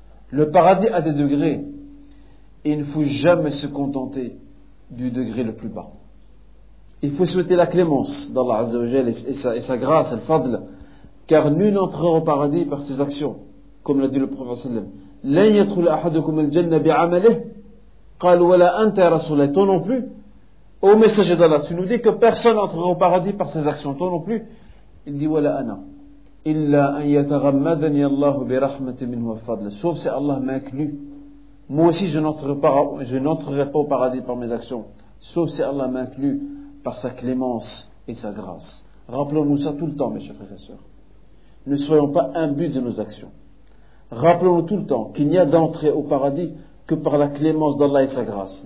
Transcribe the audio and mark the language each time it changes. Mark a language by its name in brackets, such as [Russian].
[French] Le paradis a des degrés. Et il ne faut jamais se contenter du degré le plus bas. Il faut souhaiter la clémence d'Allah Azza wa Jalla et sa grâce, al-fadl. Car nul n'entrera au paradis par ses actions, comme l'a dit le prophète sallam. [Arabic] لن يدخل أحدكم الجنة بعمله قال ولا أنت يا رسول الله. [French] Toi non plus, au messager d'Allah, tu nous dis que personne n'entrera au paradis par ses actions. Toi non plus. Il dit [Arabic] ولا أنا إلا أن يتغمدني الله برحمة منه وفضله. [French] Sauf si Allah m'inclut, moi aussi je n'entrerai pas au paradis par mes actions, sauf si Allah m'inclut par sa clémence et sa grâce. Rappelons-nous ça tout le temps, mes chers frères et sœurs. Ne soyons pas imbus de nos actions. Rappelons-nous tout le temps qu'il n'y a d'entrée au paradis que par la clémence d'Allah et sa grâce.